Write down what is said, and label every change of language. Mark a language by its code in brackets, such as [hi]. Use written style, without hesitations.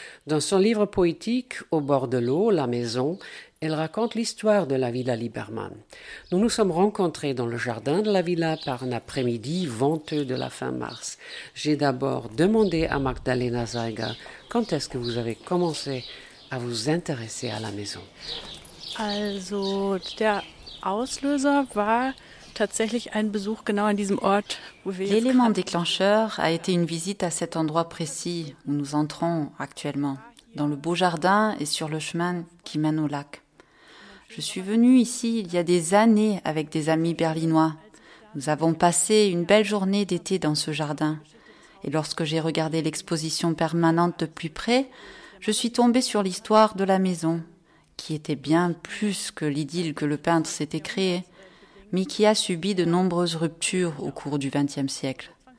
[fr] Dans son livre poétique « Au bord de l'eau, la maison », elle raconte l'histoire de la Villa Liebermann. Nous nous sommes rencontrés dans le jardin de la villa par un après-midi venteux de la fin mars. J'ai d'abord demandé à Magdalena Zeiger quand est-ce que vous avez commencé à vous intéresser à la maison. [de] Also, der Auslöser war tatsächlich ein Besuch genau an diesem Ort, wo wir [fr] L'élément déclencheur a été une visite à cet endroit précis où nous entrons actuellement, dans le beau jardin et sur le chemin qui mène au lac. Je suis venue ici il y a des années avec des amis berlinois. Nous avons passé une belle journée d'été dans ce jardin. Et lorsque j'ai regardé l'exposition permanente de plus près, je suis tombée sur l'histoire de la maison, qui était bien plus que l'idylle que le peintre s'était créée, mais qui a subi de nombreuses ruptures au cours du XXe siècle.